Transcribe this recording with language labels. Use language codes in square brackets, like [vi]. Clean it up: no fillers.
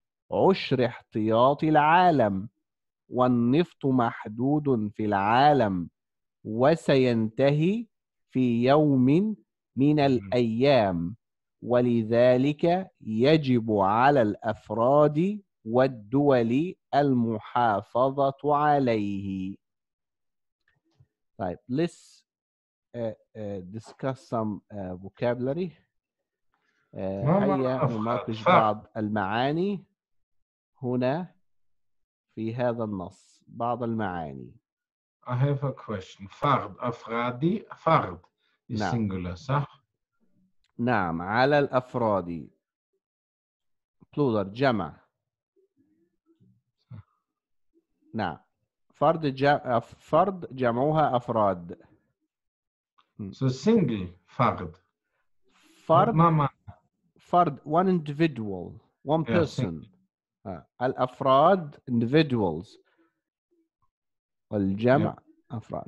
[ar] 10 احتياط العالم والنفط محدود في العالم وسينتهي في يوم من الأيام ولذلك يجب على الأفراد والدول المحافظة عليه. [en] طيب let's discuss some vocabulary. [ar] هيا نناقش بعض المعاني هنا في هذا النص بعض المعاني. [en] I have a question. [ar] فرد أفرادي فرد singular صح؟ نعم على الأفراد plural جمع. نعم فرد جمعها أفراد. [en] So single فرد. فرد one individual one person. [ar] الأفراد individuals والجمع أفراد.